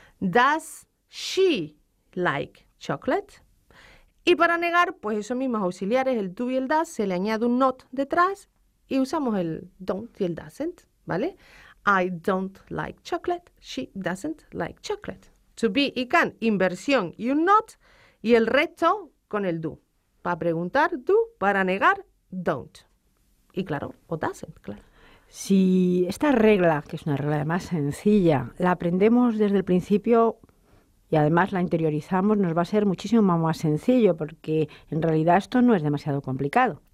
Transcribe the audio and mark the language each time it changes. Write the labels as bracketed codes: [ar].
[en] Does she like chocolate? [es] Y para negar, pues esos mismos auxiliares, el do y el does, se le añade un not detrás. Y usamos el don't y el doesn't, ¿vale? [en] I don't like chocolate, she doesn't like chocolate. [es] To be y can, inversión y un not, y el resto con el do. Para preguntar, do, para negar, don't. Y claro, o doesn't, claro. Si esta regla, que es una regla además sencilla, la aprendemos desde el principio y además la interiorizamos, nos va a ser muchísimo más sencillo, porque en realidad esto no es demasiado complicado.